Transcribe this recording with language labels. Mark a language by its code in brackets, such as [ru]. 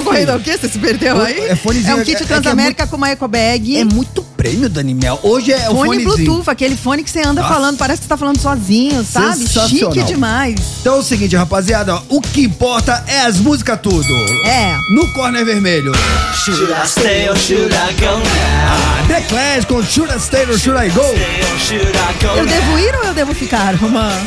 [pt] Tá concorrendo ao quê? Você se perdeu aí? É fonezinho. É um kit Transamérica com uma ecobag. É muito prêmio, Daniel. Hoje é fone o fonezinho. Fone Bluetooth, aquele fone que você anda falando, parece que você tá falando sozinho, sabe? Chique demais. Então é o seguinte, rapaziada, o que importa é as músicas tudo. É. No corner vermelho. [en] Should I stay or should I go now? The Clash com Should I Stay or Should I Go? [pt] Eu devo ir ou eu devo ficar, Romano?